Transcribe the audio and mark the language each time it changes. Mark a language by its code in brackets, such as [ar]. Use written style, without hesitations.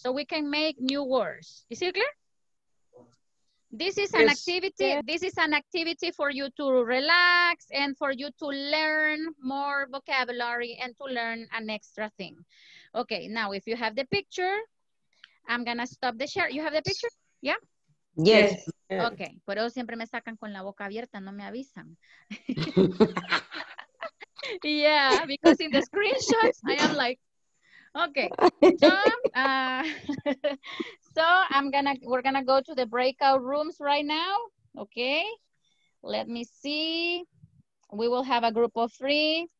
[en] So we can make new words. Is it clear? This is an activity. Yeah. This is an activity for you to relax and for you to learn more vocabulary and to learn an extra thing. Okay, now if you have the picture, I'm gonna stop the share. You have the picture? Yeah? Yes. Okay. [es] Pero siempre me sacan con la boca abierta, no me avisan. [en] Yeah, because in the screenshots, I am like, okay. We're gonna go to the breakout rooms right now. Okay. Let me see. We will have a group of three.